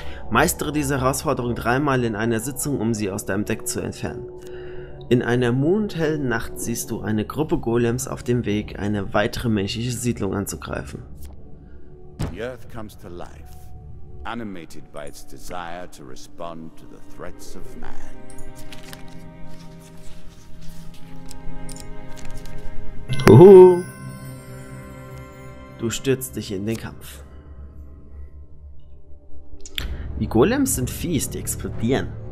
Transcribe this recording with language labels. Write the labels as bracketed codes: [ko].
[de] Meistere diese Herausforderung dreimal in einer Sitzung, um sie aus deinem Deck zu entfernen. In einer mondhellen Nacht siehst du eine Gruppe Golems auf dem Weg, eine weitere menschliche Siedlung anzugreifen. Die Erde kommt zu Leben. [en] Animated by its desire to respond to the threats of man. Uhu. [de] Du stürzt dich in den Kampf. Die Golems sind fies, die explodieren.